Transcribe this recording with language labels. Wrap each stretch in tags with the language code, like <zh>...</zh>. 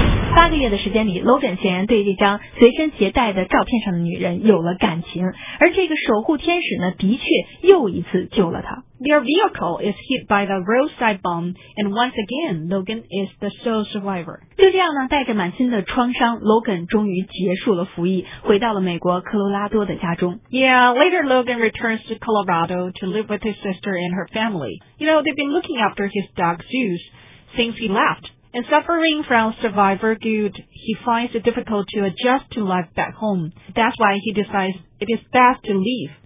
<zh>八个月的时间里 ，Logan 显然对这张随身携带的照片上的女人有了感情，而这个守护天使呢，的确又一次救了他。</zh> <en>Their vehicle is hit by the roadside bomb, and once again, Logan is the sole survivor.</en> <zh>就这样呢，带着满心的创伤 ，Logan 终于结束了服役，回到了美国科罗拉多的家中。</zh> <en>Yeah, later Logan returns to Colorado to live with his sister and her family. You know, they've been looking after his dog Zeus since he left. And suffering from survivor guilt, he finds it difficult to adjust to life back home. That's why he decides it is best to leave.</en>